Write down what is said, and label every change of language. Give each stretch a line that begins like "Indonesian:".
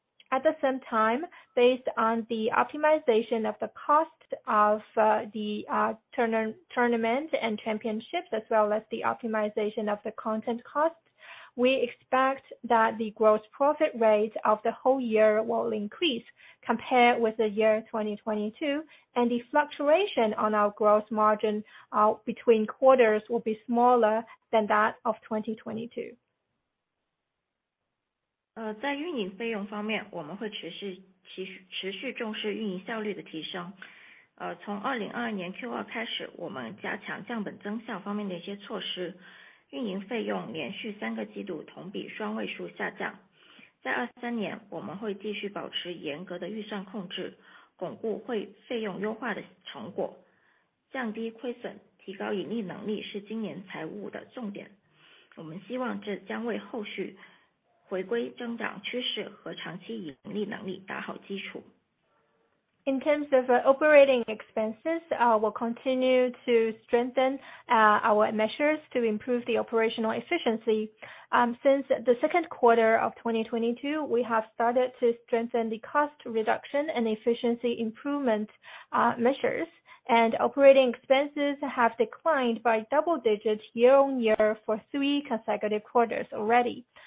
English: At the same time, based on the optimization of the cost of tournament and championships, as well as the optimization of the content cost, we expect that the gross profit rate of the whole year will increase compared with the year 2022, and the fluctuation on our gross margin between quarters will be smaller than that of 2022.
Chinese: 在运营费用方面，我们会持续重视运营效率的提升。从2022年 Q2 开始，我们加强降本增效方面的一些措施，运营费用连续三个季度同比双位数下降。在23年，我们会继续保持严格的预算控制，巩固会费用优化的成果，降低亏损，提高盈利能力是今年财务的重点。我们希望这将为后续回归增长趋势和长期盈利能力打好基础。
English: In terms of operating expenses, we'll continue to strengthen our measures to improve the operational efficiency. Since the second quarter of 2022, we have started to strengthen the cost reduction and efficiency improvement measures, and operating expenses have declined by double digits year on year for three consecutive quarters already.